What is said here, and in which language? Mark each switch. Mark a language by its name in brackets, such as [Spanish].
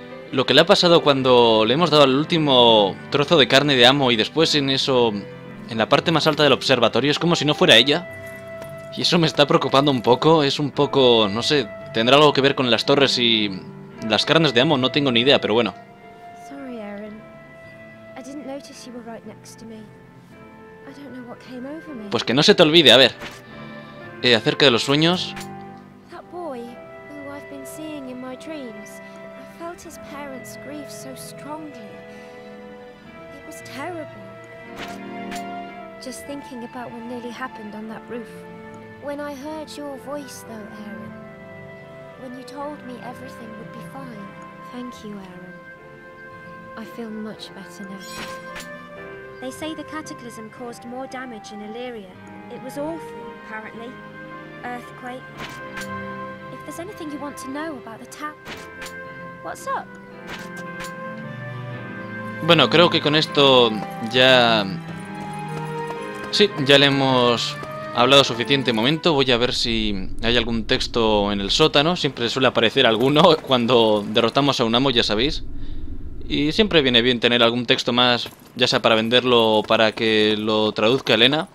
[Spanish] Lo que le ha pasado cuando le hemos dado el último trozo de carne de amo y después en eso, en la parte más alta del observatorio, es como si no fuera ella. Y eso me está preocupando un poco, es un poco, no sé, tendrá algo que ver con las torres y las carnes de amo, no tengo ni idea, pero bueno. [English] Sorry, Aaron. I didn't notice you were right next to me. I don't know what came over me. [Spanish] Pues que no se te olvide, a ver. Acerca de los sueños. [English] That boy, who I've been seeing in my dreams. Felt his parents' grief so strongly. It was terrible. Just thinking about what nearly happened on that roof. When I heard your voice, though, Aaron. When you told me everything would be fine. Thank you, Aaron. I feel much better now. They say the cataclysm caused more damage in Illyria. It was awful, apparently. Earthquake. If there's anything you want to know about the tap, what's up? [Spanish] Bueno, creo que con esto ya... Sí, ya le hemos hablado suficiente momento. Voy a ver si hay algún texto en el sótano. Siempre suele aparecer alguno cuando derrotamos a un amo, ya sabéis. Y siempre viene bien tener algún texto más, ya sea para venderlo o para que lo traduzca Elena.